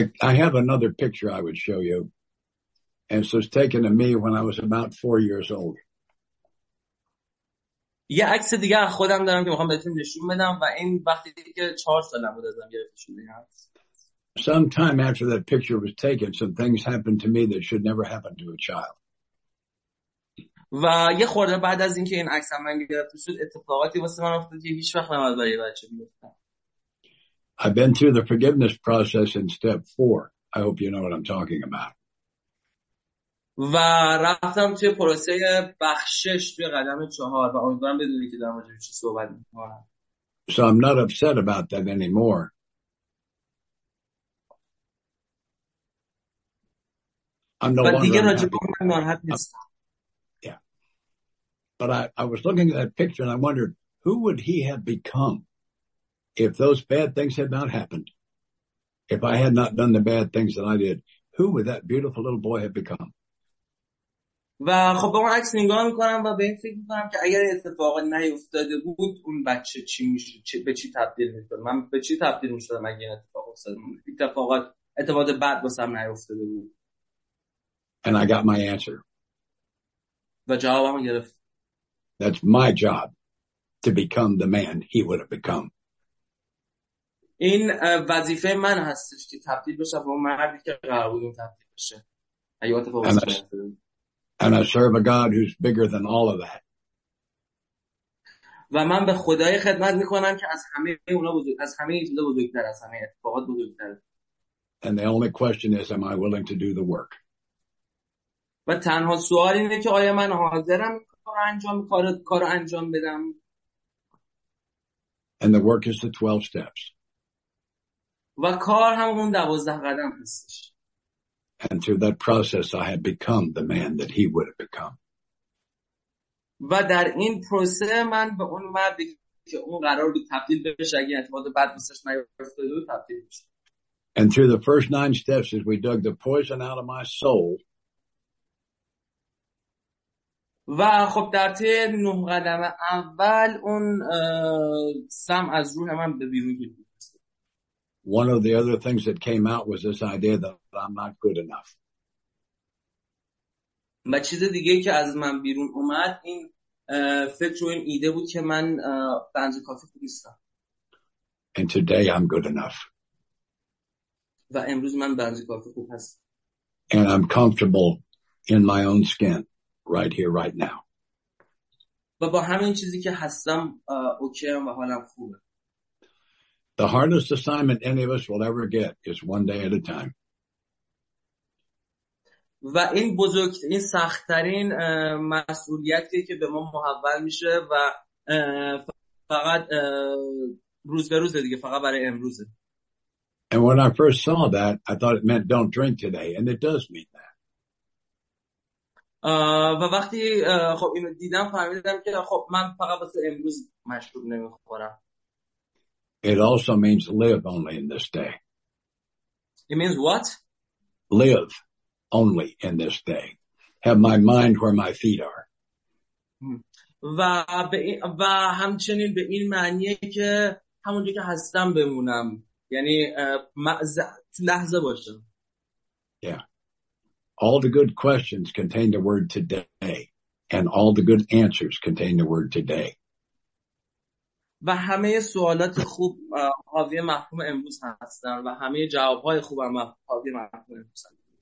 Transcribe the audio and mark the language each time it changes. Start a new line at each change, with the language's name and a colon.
English: I have another picture I would show you. And so it's taken of me when I was about 4 years old.
Persian: یه عکس دیگه از خودم دارم که میخوام بهتون نشون بدم و این وقتی که 4 سالم بود ازم گرفتشون دیگه هست.
English: Some time after that picture was taken, some things happened to me that should never happen to a child.
Persian: و یه خورده بعد از اینکه این عکس من گرفته شد اتفاقاتی واسه من افتاد که هیچ وقت نباید برای بچه میفتم.
English: I've been through the forgiveness process in step 4. I hope you know what I'm talking about.
Persian: و رفتم توی پروسه بخشش توی قدم 4 و امیدوارم بدونی که در موردش چی صحبت می‌کنم.
English: So I'm not upset about that anymore. I'm no longer
Persian: ناراحت نیستم.
English: Yeah. But I was looking at that picture and I wondered who would he have become? If those bad things had not happened, if I had not done the bad things that I did, who would that beautiful little boy have become?
Persian: و خب به اون عکس نگاه میکنم و به این فکر میکنم که اگر اتفاق نیفتاده بود اون بچه چی میشد به چی تبدیل میشد من به چی تبدیل میشدم اگر این اتفاق افتاده بود اتفاقات اتفاق بد بسم نیفتاده بود
English: And I got my answer.
Persian: و جوابمو گرفت.
English: That's my job to become the man he would have become.
Persian: این وظیفه من هستش که تبدیل بشه به اون مردی که قرار بود اون تبدیل بشه. ایوت فوق العاده.
English: And I serve a God who's bigger than all of that.
Persian: و من به خدای خدمت میکنم که از همه اونا بزرگ از همه این چیزا بزرگتر از همه اتفاقات بزرگتر.
English: And the only question is am I willing to do the work?
Persian: و تنها سوال اینه که آیا من حاضرم کارو انجام بدم؟
English: And the work is the 12 steps.
Persian: و کار همون 12 قدم هستش.
English: And through that process, I had become the man that he would have become.
Persian: و در این پروسه من به اون مردی که اون قرار بود تبدیل بشه اگه اعتماد بعد دوستش نگرفته بود تبدیل بشه.
English: And through the first nine steps as we dug the poison out of my soul.
Persian: و خب در طی نه قدم اول اون سم از روح من به بیرون گرفت.
English: One of the other things that came out was this idea that I'm not good enough.
Persian: ما چیز دیگه که از من بیرون اومد این فکر و این ایده بود که من بنز کافی نیستم.
English: And today I'm good enough.
Persian: و امروز من بنز کافی خوب هستم.
English: And I'm comfortable in my own skin right here right now.
Persian: و با همین چیزی که هستم اوکی ام و حالم خوبه.
English: The hardest assignment any of us will ever get is one day at a time.
Persian: و این بزرگترین سخت‌ترین مسئولیتی که به ما محول میشه و فقط روز به روز دیگه فقط برای امروزه.
English: And when I first saw that, I thought it meant don't drink today, and it does mean that.
Persian: و وقتی خب اینو دیدم فهمیدم که خب من فقط واسه امروز مشروب نمیخورم.
English: It also means live only in this day. It means what? Live only in this day. Have my mind where my feet are.
Persian: و همچنین به این معنیه که همونجوری که هستم بمونم. یعنی لحظه باشم.
English: Yeah. All the good questions contain the word today. And all the good answers contain the word today.
Persian: و همه سوالات خوب حاوی مفهوم امروز هستند و همه جوابهای خوب هم حاوی مفهوم امروز هستند.